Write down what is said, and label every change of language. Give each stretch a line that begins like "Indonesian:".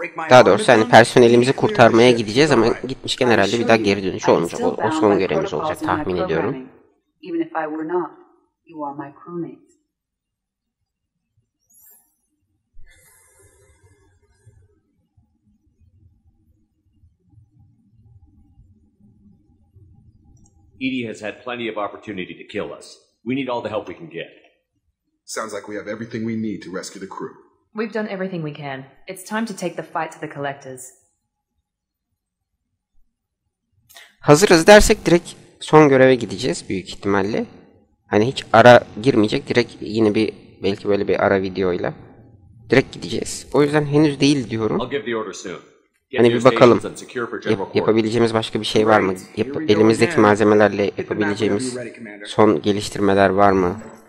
Turkish: Daha doğrusu yani personelimizi kurtarmaya gideceğiz ama gitmişken herhalde bir daha geri dönüş olmayacak. O son görevimiz olacak tahmin ediyorum.
English: Even if I were not, you are my crewmate. Edie has had plenty of opportunity to kill us. We need all the help we can get. Sounds like we have everything we need to rescue the crew. We've done everything we can. It's time to take the fight to the collectors.
Turkish: Hazırız dersek direkt son göreve gideceğiz büyük ihtimalle. Hani hiç ara girmeyecek, direkt yine bir belki böyle bir ara videoyla direkt gideceğiz. O yüzden henüz değil diyorum.
English: I'll give the order soon.
Turkish: Hani bir bakalım, yapabileceğimiz başka bir şey var mı? Elimizdeki malzemelerle yapabileceğimiz son geliştirmeler var mı?